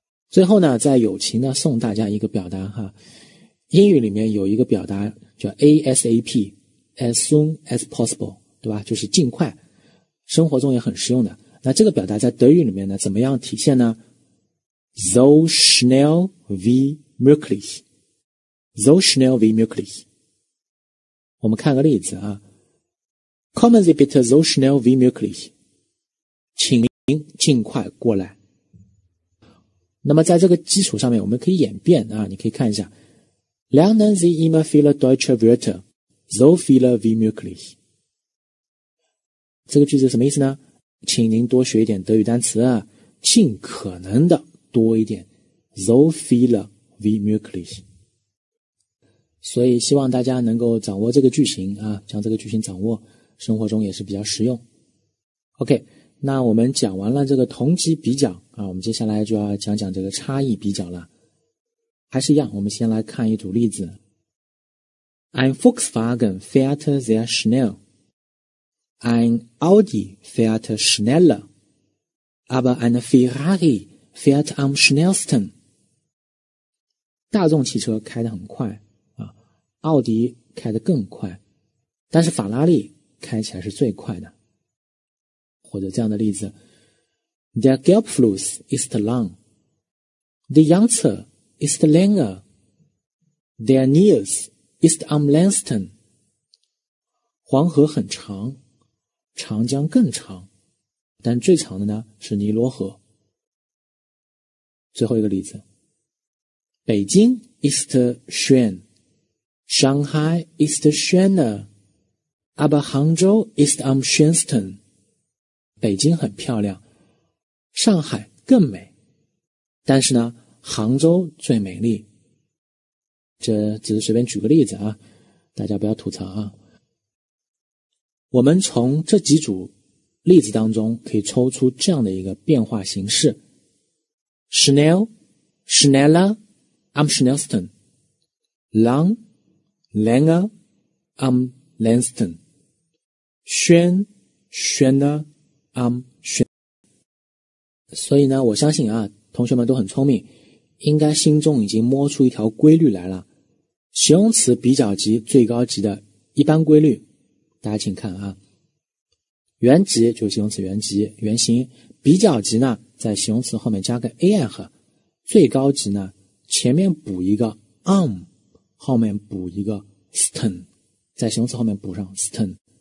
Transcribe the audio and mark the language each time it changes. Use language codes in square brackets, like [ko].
[zh] 最后呢，在友情呢送大家一个表达哈，英语里面有一个表达叫 ASAP [en] as soon as possible， [zh] 对吧，就是尽快，生活中也很实用的。那这个表达在德语里面呢怎么样体现呢？ [de] So schnell wie möglich， So schnell wie möglich。 [zh] 我们看个例子啊， [de] Kommen Sie bitte so schnell wie möglich， [zh] 请您尽快过来。那么在这个基础上面我们可以演变啊，你可以看一下 [de] Lernen Sie immer viele deutsche Wörter so viele wie möglich， [zh] 这个句子什么意思呢？请您多学一点德语单词啊，尽可能的多一点 [de] so viele wie möglich。 [zh] 所以希望大家能够掌握这个句型啊，将这个句型掌握，生活中也是比较实用。 OK， 那我们讲完了这个同级比较啊，我们接下来就要讲讲这个差异比较了。还是一样，我们先来看一组例子。 [de] Ein Volkswagen fährt sehr schnell。 Ein Audi fährt schneller, aber ein Ferrari fährt am schnellsten. [zh] 大众汽车开得很快啊，奥迪开得更快，但是法拉利开起来是最快的。或者这样的例子 [de] ,Der Gelbfluss ist lang, der Yangtze ist länger, der Nils ist am längsten. [zh] 黄河很长，长江更长，但最长的呢是尼罗河。 [de] 最后一个例子，北京 ist schön， Shanghai ist schöner， aber Hangzhou ist am schönsten。 [zh] 北京很漂亮，上海更美，但是呢杭州最美丽。这只是随便举个例子啊，大家不要吐槽啊。我们从这几组例子当中可以抽出这样的一个变化形式 [de] schnell schneller am schnellsten lang länger am längsten schön schöner am schön。 [zh] 所以呢，我相信啊，同学们都很聪明，应该心中已经摸出一条规律来了，形容词比较级最高级的一般规律。大家请看啊，原级就是形容词原级原型，比较级呢在形容词后面加个 and， 最高级呢前面补一个 am， 后面补一个 sten， 在形容词后面补上 sten。